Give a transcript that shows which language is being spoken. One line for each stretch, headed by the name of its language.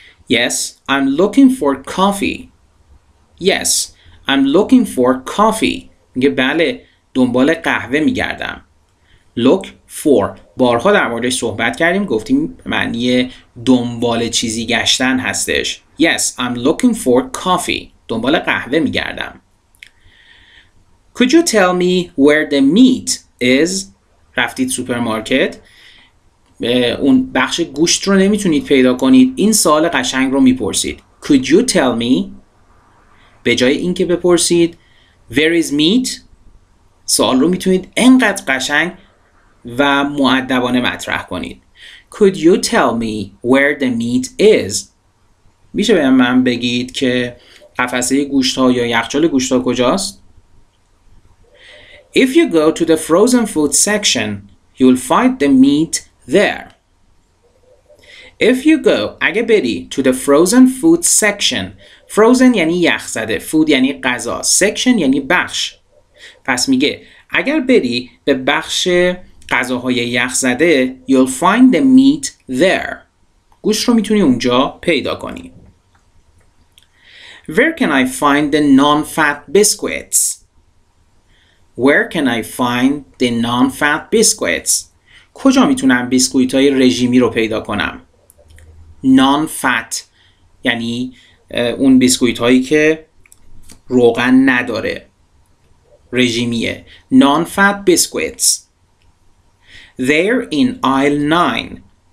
English: Yes, I'm looking for coffee. Yes, I'm looking for coffee.
Persian: میگه بله، دنبال قهوه میگردم.
English: Look for.
Persian: بارها در موردش صحبت کردیم، گفتیم معنی دنبال چیزی گشتن هستش.
English: Yes, I'm looking for coffee.
Persian: دنبال قهوه میگردم.
English: Could you tell me where the meat is?
Persian: رفتید سوپرمارکت، اون بخش گوشت رو نمیتونید پیدا کنید. این سوال قشنگ رو میپرسید.
English: Could you tell me؟
Persian: به جای این که بپرسید
English: where is meat،
Persian: سوال رو میتونید انقدر قشنگ و مؤدبانه مطرح کنید.
English: Could you tell me where the meat is؟
Persian: میشه به من بگید که قفسه گوشت ها یا یخچال گوشت ها کجاست؟
English: If you go to the frozen food section, you'll find the meat there. If you go,
Persian: اگه بری
English: to the frozen food section.
Persian: Frozen یعنی یخ زده، food یعنی غذا، section یعنی بخش. پس میگه اگر بری به بخش غذاهای یخ زده،
English: you'll find the meat there.
Persian: گوشت رو میتونی اونجا پیدا کنی.
English: Where can I find the non-fat biscuits? Where can I find the non-fat biscuits?
Persian: کجا میتونم بیسکویت‌های رژیمی رو پیدا کنم؟ Non-fat یعنی اون بیسکویت‌هایی که روغن نداره، رژیمیه.
English: Non-fat biscuits. They're in aisle 9.